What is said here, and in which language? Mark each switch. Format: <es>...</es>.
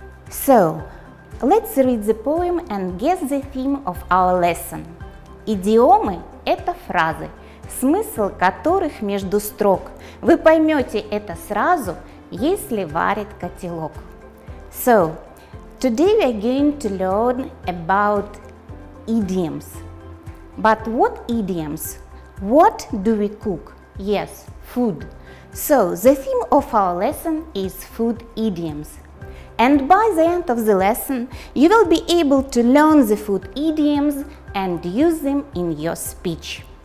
<en>So, let's read the poem and guess the theme of our lesson.</en> <ru>Идиомы – это фразы, смысл которых между строк. Вы поймете это сразу, если варит котелок.</ru> <en>So, today we are going to learn about idioms. But what idioms? What do we cook? Yes, food. So, the theme of our lesson is food idioms. And by the end of the lesson, you will be able to learn the food idioms and use them in your speech.</en>